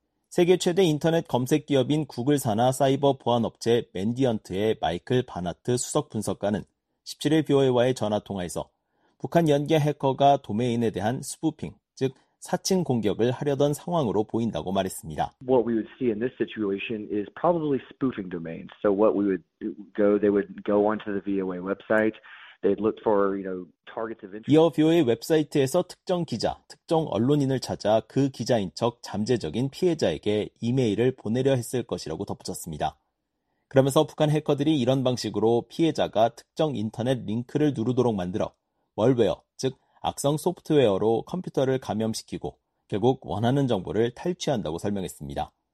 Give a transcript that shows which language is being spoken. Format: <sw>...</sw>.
<ko>세계 최대 인터넷 검색 기업인 구글 산하 사이버 보안 업체 맨디언트의 마이클 바나트 수석 분석가는 17일 BOA와의 전화통화에서 북한 연계 해커가 도메인에 대한 스푸핑, 즉 사칭 공격을 하려던 상황으로 보인다고 말했습니다.</ko> <en>What we would see in this situation is probably spoofing domains. So what we would go, they would go onto the VOA website. They'd look for, you know, targets of interest.</en> <ko>이어 VOA 웹사이트에서 특정 기자, 특정 언론인을 찾아 그 기자인 척 잠재적인 피해자에게 이메일을 보내려 했을 것이라고 덧붙였습니다. 그러면서 북한 해커들이 이런 방식으로 피해자가 특정 인터넷 링크를 누르도록 만들어 멀웨어, 즉 악성 소프트웨어로 컴퓨터를 감염시키고 결국 원하는 정보를 탈취한다고 설명했습니다.</ko>